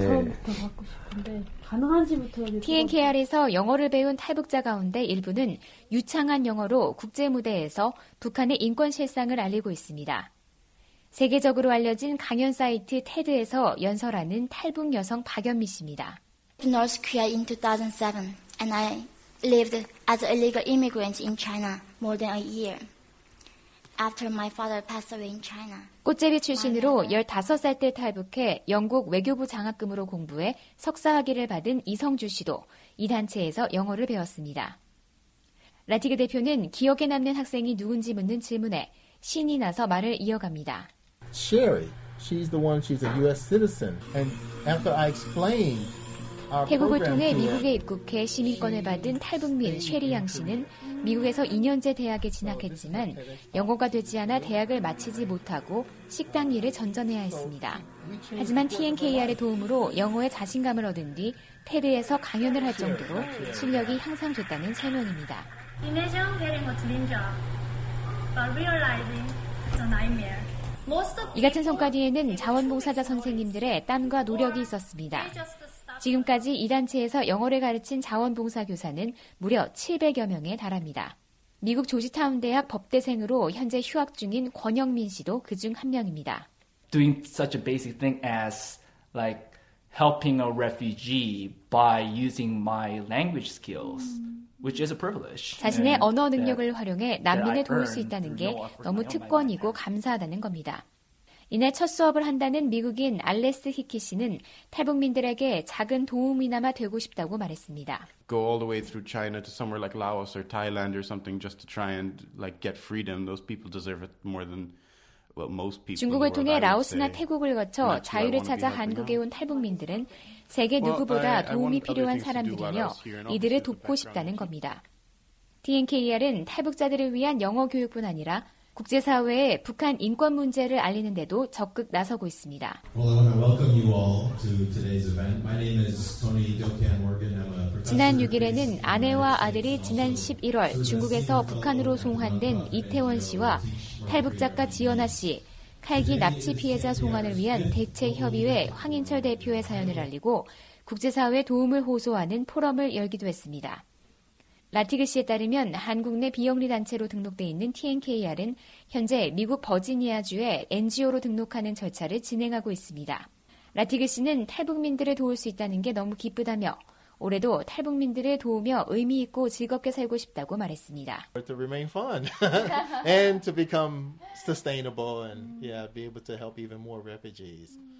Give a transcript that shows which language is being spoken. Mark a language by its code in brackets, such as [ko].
[ko] 처음부터 받고 싶은데 가능한지부터 TNKR에서 영어를 배운 탈북자 가운데 일부는 유창한 영어로 국제무대에서 북한의 인권 실상을 알리고 있습니다. 세계적으로 알려진 강연 사이트 TED에서 연설하는 탈북 여성 박연미 씨입니다. [en] North Korea in 2007 and I lived as an illegal immigrant in China more than a year. After my father passed away in China. [ko] 꽃제비 출신으로 15살 때 탈북해 영국 외교부 장학금으로 공부해 석사학위를 받은 이성주 씨도 이 단체에서 영어를 배웠습니다. 라티그 대표는 기억에 남는 학생이 누군지 묻는 질문에 신이 나서 말을 이어갑니다. [en] Sherry, she's the one, she's a U.S. citizen. And after I explained [ko] 태국을 통해 미국에 입국해 시민권을 받은 탈북민 쉐리 양 씨는 미국에서 2년제 대학에 진학했지만 영어가 되지 않아 대학을 마치지 못하고 식당 일을 전전해야 했습니다. 하지만 TNKR의 도움으로 영어에 자신감을 얻은 뒤 테드에서 강연을 할 정도로 실력이 향상됐다는 설명입니다. [en] Imagine getting a dream job, but realizing it's a nightmare. [ko] 이 같은 성과 뒤에는 자원봉사자 선생님들의 땀과 노력이 있었습니다. 지금까지 이 단체에서 영어를 가르친 자원봉사 교사는 무려 700여 명에 달합니다. 미국 조지타운 대학 법대생으로 현재 휴학 중인 권영민 씨도 그 중 한 명입니다. [en] Doing such a basic thing as like helping a refugee by using my language skills. Which is a privilege. [ko] 자신의 언어 능력을 활용해 난민을 도울 수 있다는 게 너무 특권이고 감사하다는 겁니다. 이날 첫 수업을 한다는 미국인 알레스 히키 씨는 탈북민들에게 작은 도움이나마 되고 싶다고 말했습니다. [en] Go all the way through China to somewhere like Laos or Thailand or something just to try and like get freedom. Those people deserve it more than what most people. [ko] 중국을 통해 라오스나 태국을 거쳐 자유를 찾아 한국에 온 탈북민들은 세계 누구보다 도움이 필요한 사람들이며 이들을 돕고 싶다는 겁니다. TNKR은 탈북자들을 위한 영어 교육뿐 아니라 국제사회에 북한 인권 문제를 알리는 데도 적극 나서고 있습니다. [en] Well, I want to welcome you all to today's event. My name is Tony Dokian Morgan. I'm a [ko] 지난 6일에는 아내와 아들이 지난 11월 중국에서 북한으로 송환된 이태원 씨와 탈북작가 지연아 씨, 칼기 납치 피해자 송환을 위한 대책협의회 황인철 대표의 사연을 알리고 국제사회 도움을 호소하는 포럼을 열기도 했습니다. 라티그 씨에 따르면 한국 내 비영리 단체로 등록돼 있는 TNKR은 현재 미국 버지니아주에 NGO로 등록하는 절차를 진행하고 있습니다. 라티그 씨는 탈북민들을 도울 수 있다는 게 너무 기쁘다며 올해도 탈북민들을 도우며 의미 있고 즐겁게 살고 싶다고 말했습니다. [en] To remain fun and to become sustainable and yeah, be able to help even more refugees.